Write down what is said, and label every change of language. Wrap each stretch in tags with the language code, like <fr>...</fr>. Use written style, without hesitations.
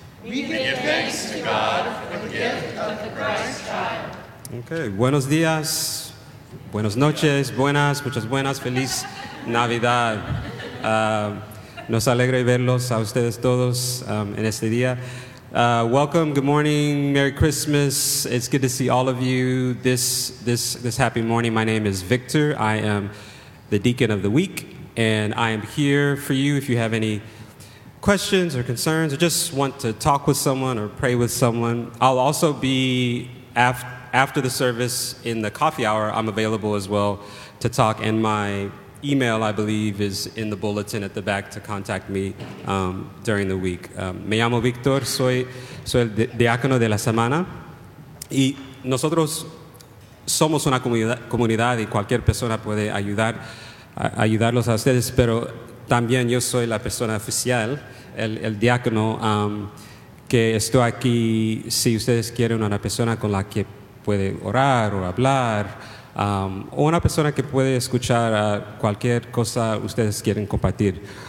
<en>we give thanks to God for the gift of the Christ child.</en> <es>Okay, buenos dias, buenas noches, buenas, muchas buenas, feliz Navidad. Nos alegra verlos a ustedes todos en este día.</es> <en>Welcome, good morning, Merry Christmas. It's good to see all of you this happy morning. My name is Victor. I am the deacon of the week, and I am here for you if you have any questions or concerns, or just want to talk with someone or pray with someone. I'll also be after the service in the coffee hour. I'm available as well to talk, and my email, I believe, is in the bulletin at the back to contact me during the week.</en> <es>Me llamo Victor, soy el diácono de la semana, Y nosotros somos una comunidad y cualquier persona puede ayudarlos a ustedes, pero también yo soy la persona oficial, el diácono, que estoy aquí si ustedes quieren una persona con la que puede orar o hablar, o una persona que puede escuchar cualquier cosa ustedes quieren compartir.</es>